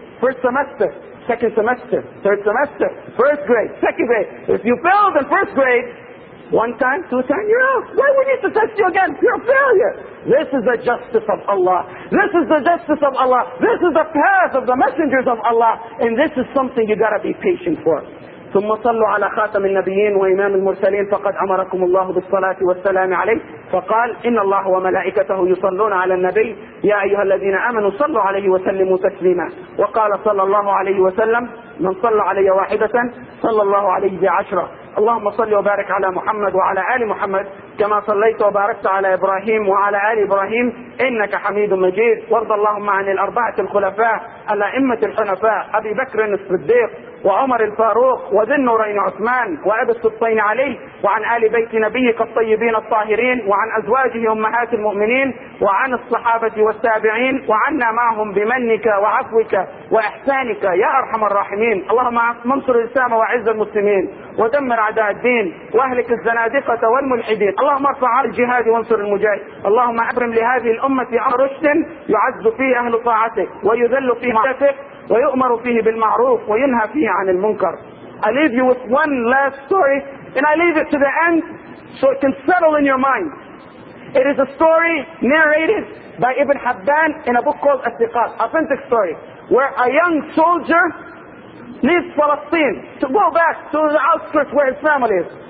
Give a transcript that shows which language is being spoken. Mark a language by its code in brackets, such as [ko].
[en] First semester, second semester, third semester, first grade, second grade. If you failed in first grade, one time, two times, you're out. Why would we need to test you again? You're a failure. This is the justice of Allah. This is the justice of Allah. This is the path of the messengers of Allah. And this is something you gotta be patient for. [ar] ثم صلوا على خاتم النبيين وإمام المرسلين فقد أمركم الله بالصلاة والسلام عليه فقال إن الله وملائكته يصلون على النبي يا أيها الذين آمنوا صلوا عليه وسلموا تسليما وقال صلى الله عليه وسلم من صلى علي واحدة صلى الله عليه بعشرة اللهم صل وبارك على محمد وعلى آل محمد كما صليت وباركت على إبراهيم وعلى آل إبراهيم إنك حميد مجيد وارض اللهم عن الأربعة الخلفاء الأئمة الحنفاء أبي بكر الصديق وعمر الفاروق وذي النورين عثمان وأبي الصديقين علي وعن آل بيت نبيك الطيبين الطاهرين وعن أزواجه أمهات المؤمنين وعن الصحابة والتابعين وعنا معهم بمنك وعفوك وإحسانك يا أرحم الراحمين اللهم منصر الإسلام وعز المسلمين ودمر أعداء الدين وأهلك الزنادقة والملحدين اللهم ارفع الجهاد وانصر المجاهد اللهم أبرم لهذه الأمة أمر رشد يعز فيه أهل طاعتك ويذل فيه معرفتك ويؤمر فيه بالمعروف وينهى فيه عن المنكر. [en] I leave you with one last story and I leave it to the end so it can settle in your mind. It is a story narrated by Ibn Hibban in a book called As-Siqat, authentic story, where a young soldier leaves Palestine to go back to the outskirts where his family is.